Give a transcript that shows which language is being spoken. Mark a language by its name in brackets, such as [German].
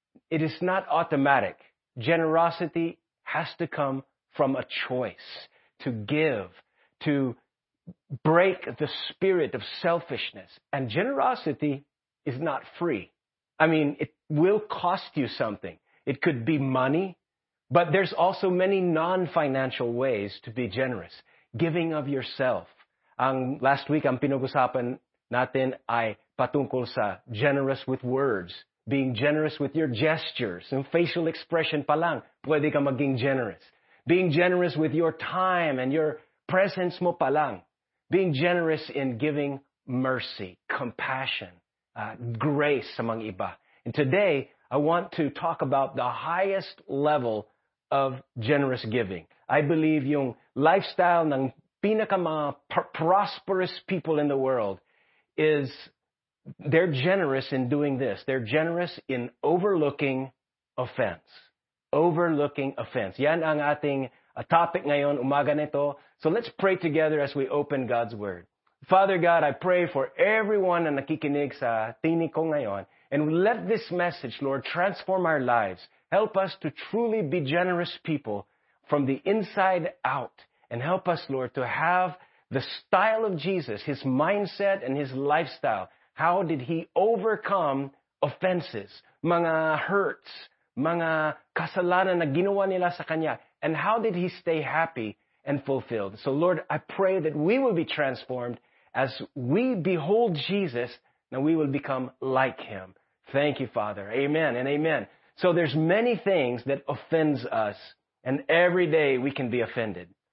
[English] It is not automatic. Generosity has to come from a choice to give, to break the spirit of selfishness. And generosity is not free. I mean, it will cost you something. It could be money, but there's also many non-financial ways to be generous. Giving of yourself. [Filipino] Last week, ang pinag-usapan natin ay patungkol sa [English] generous with words. Being generous with your gestures. [Filipino] Yung facial expression pa lang, pwede ka maging [English] generous. Being generous with your time and your presence [Filipino] mo pa lang. [English] Being generous in giving mercy, compassion, grace [Filipino] among iba. [English] And today, I want to talk about the highest level of generous giving. I believe [Filipino] yung [English] lifestyle [Filipino] ng pinakamang [English] prosperous people in the world is they're generous in doing this. They're generous in overlooking offense. Overlooking offense. [Filipino] Yan ang ating topic ngayon, umaga nito. [English] So let's pray together as we open God's Word. Father God, I pray for everyone [Filipino] na nakikinig sa tinig ko ngayon. [English] And let this message, Lord, transform our lives. Help us to truly be generous people from the inside out. And help us, Lord, to have the style of Jesus, his mindset and his lifestyle. How did he overcome offenses, [Filipino] mga hurts, mga kasalanan na ginawa nila sa kanya? [English] And how did he stay happy and fulfilled? So, Lord, I pray that we will be transformed as we behold Jesus. Now we will become like him. Thank you, Father. Amen and amen. So there's many things that offends us, and every day we can be offended.